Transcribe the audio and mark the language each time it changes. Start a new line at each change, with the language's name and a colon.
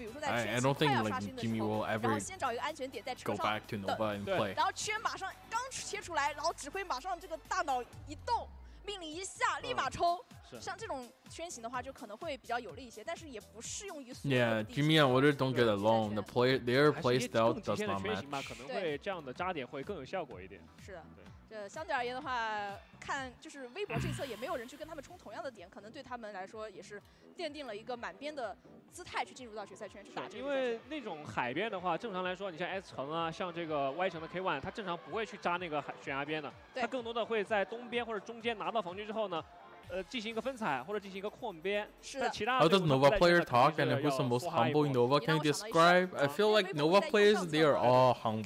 English: I don't think like Jimmy will ever go back to Nova and play.
Chinese: 然后圈马上刚切出来，然后指挥马上这个大脑一动。命令一下立马抽、像这种圈型的话就可能会比较有利一些但是也不适用于所有的
English: Yeah, Jimmy and Water don't get along the player, their playstyle does not match
Chinese: 可能会这样的扎点会更有效果一点是的这相对而言的话看就是微博这一侧也没有人去跟他们冲同样的点可能对他们来说也是奠定了一个满编的姿态去进入到决赛圈去打因为那种海边的话正常来说你像 S 城啊像这个 Y 城的 K1 他正常不会去扎那个悬崖边的他更多的会在东边或者中间拿到防区之后呢进行一个分踩或者进行一个控边是的其他
English: How does Nova player talk and who's the most humble in Nova can you describe I feel like Nova players they are all humble